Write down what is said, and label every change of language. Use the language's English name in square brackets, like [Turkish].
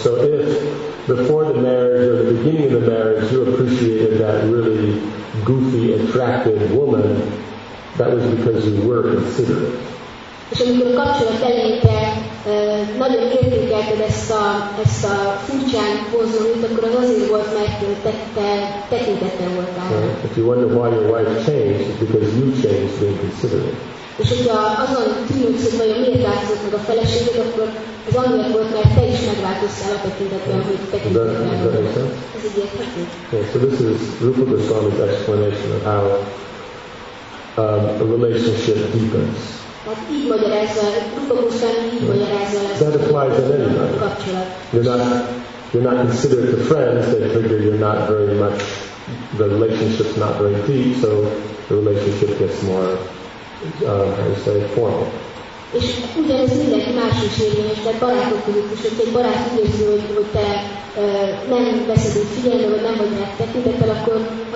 [English] So if before the marriage or the beginning of the marriage you appreciated that really goofy, attractive woman, that was because you were considerate. [Hungarian] És amikor a kapcsolat elején te nagyon értékelted ezt a furcsán vonzónit, akkor az azért volt, mert te tekintettel voltál. [English] Right. If you wonder why your wife changed, it's because you changed being considerate. [Hungarian] És hogyha azon tűnődsz, hogy vajon miért változott meg a feleséged, akkor az annyira volt, mert te is megváltoztál a tekintetben, hogy tekintettel voltál. Ez egyértelmű. [English] So this is Rupa Goswami's explanation of how a relationship deepens. That applies to anybody. You're not considered the friends, they figure you're not very much, the relationship's not very deep, so the relationship gets more, how to say, formal. [Hungarian] És ugyanez mindenki más is érvényes, tehát barátok között is, hogyha egy barát úgy érzi, hogy te nem veszed úgy figyelembe, vagy nem vagy megtekintettel, akkor